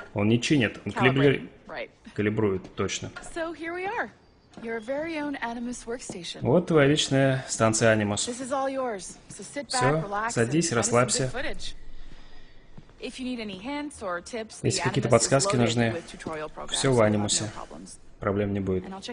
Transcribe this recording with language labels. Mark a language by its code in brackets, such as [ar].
[ru] Он не чинит, он калибрует, точно. [en] So here we are. Your very own Animus workstation. [ru] Вот твоя личная станция Animus. [en] This is all yours. So sit back, relax. [ru] Все, садись, расслабься. [en] If you need any hints or tips, [ru] если какие-то подсказки нужны, все в анимусе. проблем не будет.